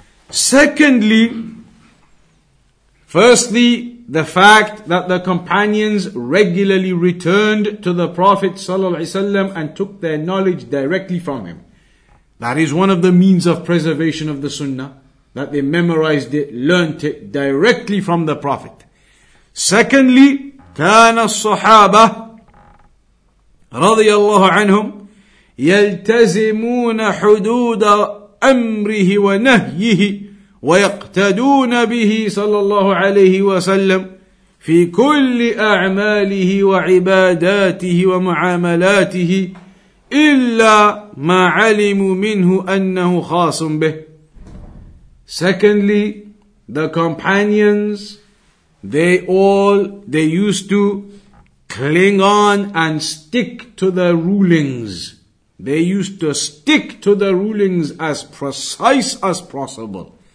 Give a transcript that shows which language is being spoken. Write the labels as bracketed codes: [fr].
[en] Secondly, firstly, the fact that the companions regularly returned to the Prophet sallallahu alaihi wasallam and took their knowledge directly from him. That is one of the means of preservation of the Sunnah, that they memorized it, learnt it directly from the Prophet. Secondly, [ar] كَانَ الصُّحَابَةِ رَضِيَ اللَّهُ عَنْهُمْ يَلْتَزِمُونَ حُدُودَ أَمْرِهِ وَنَهْيِهِ ويقتدون به صلى الله عليه وسلم في كل أعماله وعباداته ومعاملاته إلا ما علموا منه أنه خاص به. [en] Secondly, the companions, they used to cling on and stick to the rulings. They used to stick to the rulings as precise as possible.